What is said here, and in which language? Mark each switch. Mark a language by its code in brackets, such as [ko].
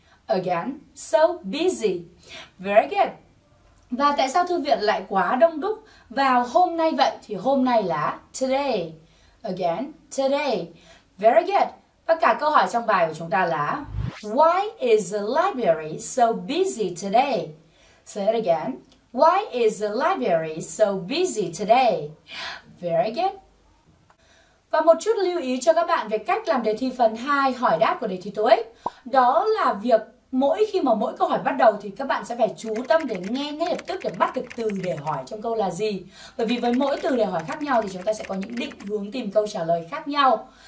[en] Again, so busy. Very good. [vi] Và tại sao thư viện lại quá đông đúc vào hôm nay vậy? Thì hôm nay là today. [en] Again, today. Very good. [vi] Và cả câu hỏi trong bài của chúng ta là [en] why is the library so busy today? Say it again. Why is the library so busy today? Very good. [vi] Và một chút lưu ý cho các bạn về cách làm đề thi phần 2 hỏi đáp của đề thi TOEIC. Đó là việc mỗi khi mà mỗi câu hỏi bắt đầu thì các bạn sẽ phải chú tâm để nghe ngay lập tức để bắt được từ để hỏi trong câu là gì. Bởi vì với mỗi từ để hỏi khác nhau thì chúng ta sẽ có những định hướng tìm câu trả lời khác nhau.